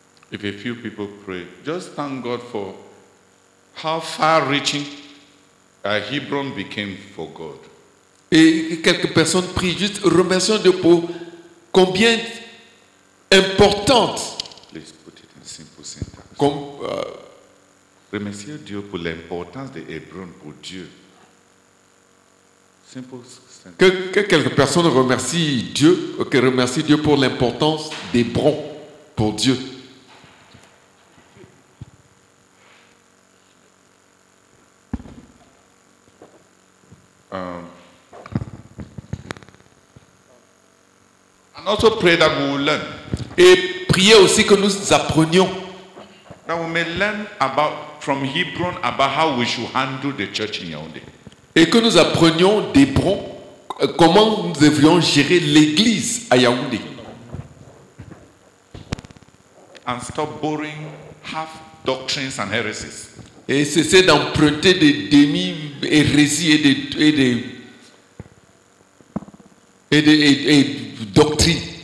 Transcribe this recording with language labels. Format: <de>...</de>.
<en>If a few people pray, just thank God for how far-reaching Hebron became for God.</en> <fr>Et quelques personnes prient juste remerciant Dieu pour combien importante.</fr> <en>Please put it in simple syntax.</en> <fr>Remercier Dieu pour l'importance de Hebron pour Dieu.</fr> <en>Simple syntax.</en> <fr>Que quelques personnes remercient Dieu, que remercie Dieu pour l'importance d'Hébron pour Dieu.</fr> <en>And also pray that we will learn.</en> <fr>Et prier aussi que nous apprenions.</fr> <en>That we may learn about from Hebron about how we should handle the church in Yaoundé.</en> <fr>Et que nous apprenions d'Hébron comment nous devions gérer l'église à Yaoundé.</fr> <en>And stop borrowing half doctrines and heresies.</en> <fr>Et cesser d'emprunter des demi hérésies et des doctrines.</fr>